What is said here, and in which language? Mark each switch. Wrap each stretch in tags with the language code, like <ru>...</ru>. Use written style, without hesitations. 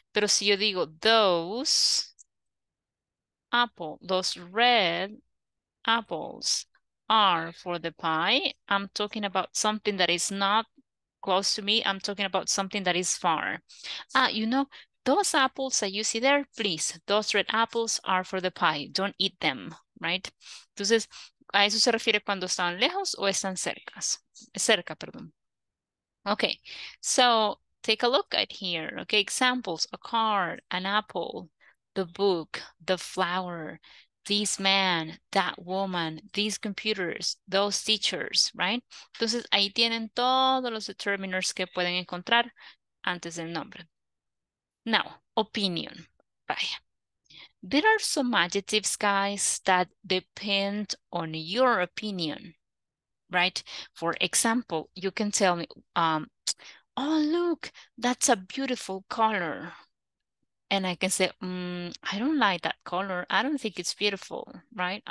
<es>Pero si yo digo</es> <en>those apples, those red apples are for the pie, I'm talking about something that is not close to me. I'm talking about something that is far. You know, those apples that you see there, please, those red apples are for the pie. Don't eat them, right?</en> <es>Entonces, ¿a eso se refiere cuando están lejos o están cercas? Cerca, perdón.</es> <en>Okay, so take a look at here. Okay, examples, a card, an apple, the book, the flower, this man, that woman, these computers, those teachers, right?</en> <es>Entonces, ahí tienen todos los determiners que pueden encontrar antes del nombre.</es> <en>Now, opinion. Bye. There are some adjectives, guys, that depend on your opinion, right? For example, you can tell me, oh, look, that's a beautiful color. And I can say, I don't like that color. I don't think it's beautiful, right?</en>